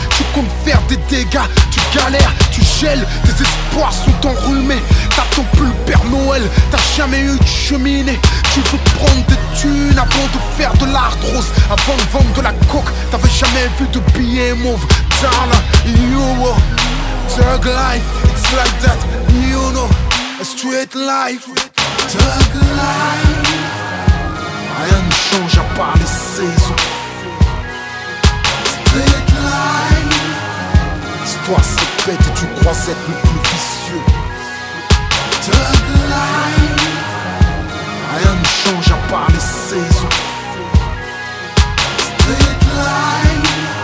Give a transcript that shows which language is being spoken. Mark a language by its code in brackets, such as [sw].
[fr] Tu comptes faire des dégâts, tu galères, tu gèles. Tes espoirs sont enrhumés, t'attends plus le Père Noël. T'as jamais eu de cheminée, tu veux prendre des thunes avant de faire de l'art rose. Avant de vendre de la coke, t'avais jamais vu de billets mauve. [en] Darling, you know, thug life, it's like that, you know. A straight life, thug life. [fr] Rien ne change à part les saisons. [en] Straight life. [fr] L'histoire se répète et tu crois être le plus vicieux. [en] Thug life. [fr] Rien ne change à part les saisons. [en] Straight life.